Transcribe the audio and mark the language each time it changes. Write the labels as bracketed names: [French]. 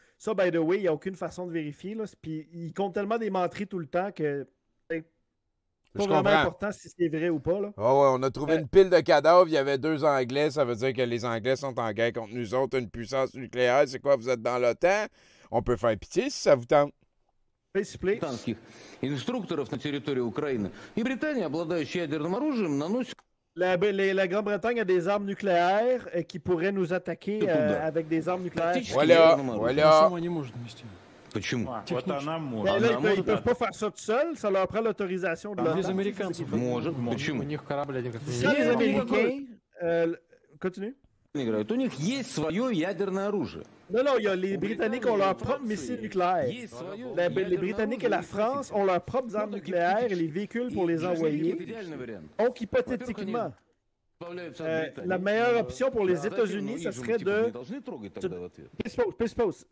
[French] Ça, [English] by the way, [French] il n'y a aucune façon de vérifier. Là, puis ils comptent tellement des mentries tout le temps que... C'est pas vraiment important si c'est vrai ou pas. Ah oh ouais, on a trouvé une pile de cadavres. Il y avait deux Anglais. Ça veut dire que les Anglais sont en guerre contre nous autres. Une puissance nucléaire. C'est quoi, vous êtes dans l'OTAN? On peut faire pitié si ça vous tente. [English] Please, please. [Russian] Инструкторов на территории Украины. И Британия, обладающая ядерным оружием, наносит... [French] La Grande-Bretagne a des armes nucléaires qui pourraient nous attaquer avec des armes nucléaires. Voilà. [Russian] Почему? Вот она может. Они не могут делать это сами, это требует разрешения. Без американцев. Может, почему? У них корабль один. Без американцев. Продолжай. У них есть свое ядерное оружие. [French] Non, non, les Britanniques ont leurs propres missiles nucléaires. Les Britanniques et la France ont leurs propres armes nucléaires et les véhicules pour les envoyer. Donc, hypothétiquement, la meilleure option pour les États-Unis, ce serait de... Peace pause.